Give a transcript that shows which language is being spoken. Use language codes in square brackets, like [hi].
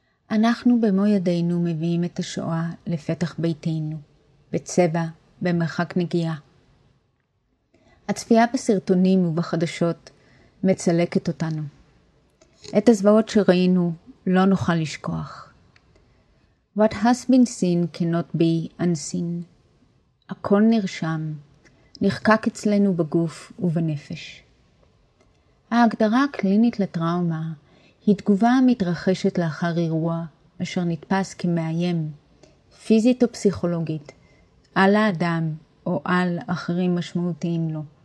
[he] אנחנו במו ידינו מביאים את השואה לפתח ביתנו, בצבע, במרחק נגיעה. הצפייה בסרטונים ובחדשות מצלקת אותנו. את הזוועות שראינו לא נוכל לשכוח. [en] What has been seen cannot be unseen. [he] הכל נרשם, נחקק אצלנו בגוף ובנפש. ההגדרה הקלינית לטראומה היא תגובה המתרחשת לאחר אירוע אשר נתפס כמאיים, פיזית או פסיכולוגית, על האדם או על אחרים משמעותיים לו.